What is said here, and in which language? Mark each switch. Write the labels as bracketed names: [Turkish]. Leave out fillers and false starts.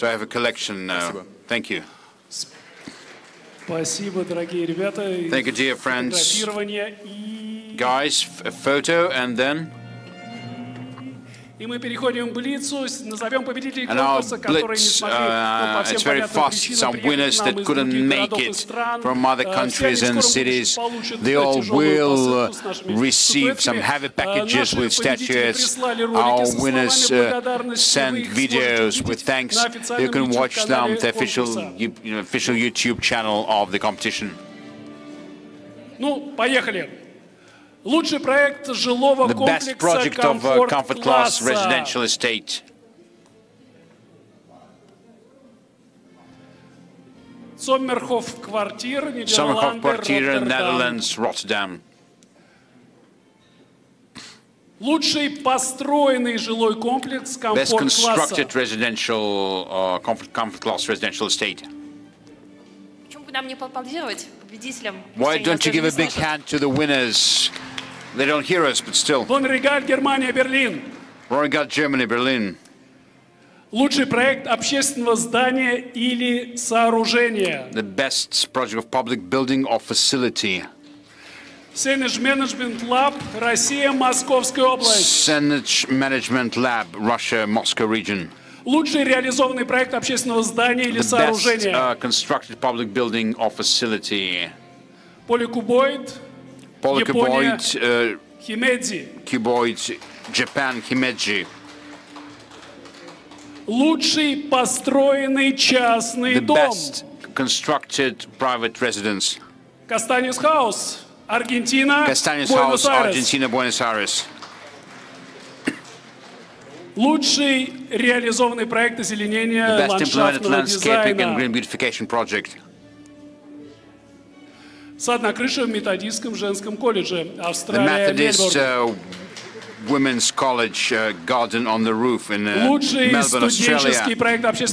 [English] So I have a collection now. [Russian] Спасибо. [English] Thank you. [Russian] Спасибо, дорогие ребята. [English] Thank you, dear friends. [Russian] Фотографирование и... [English] Guys, a photo, and then. [Russian] И мы переходим блицу, назовем победителей конкурса, которые [English] it's very fast. Some winners that couldn't make it from other countries and cities, they all will receive some heavy packages with statuettes. Our winners send videos with thanks. You can watch them the official, official YouTube channel of the competition. [Russian] Ну, поехали. Лучший проект жилого [English] the best project of a comfort class residential estate. Sommerhof Quartier, Sommerhof Quartier Rotterdam. In Netherlands, Rotterdam. [Russian] Лучший построенный жилой комплекс комфорт класса. [English] Best constructed residential comfort class residential estate. [Russian] Почему бы нам не поаплодировать победителям? [English] Why don't you give a big hand to the winners? They don't hear us, but still. Von Regal, Germany, Berlin. Von Regal, Germany, Berlin. [Russian] Лучший проект общественного здания или сооружения. [English] The best project of public building or facility. [Russian] Senage Management Lab, Россия, Московская область. [English] Senage Management Lab, Russia, Moscow region. [Russian] Лучший реализованный проект общественного здания или сооружения. [English] The best constructed public building or facility. Polycuboid, Polycuboid, Himeji. Cuboid, Japan, Himeji. [Russian] Лучший построенный частный [English] the [Russian] дом. [English] The best constructed private residence. Castanis House, Argentina, Castanis Buenos Aires. Argentina, Buenos Aires. [Russian] Лучший реализованный проект озеленения ландшафтного дизайна. [English] And green beautification project. [Russian] С одной крышей в методистском женском колледже Австралия. [English] The Methodist Women's College Garden on the Roof in Melbourne, Australia.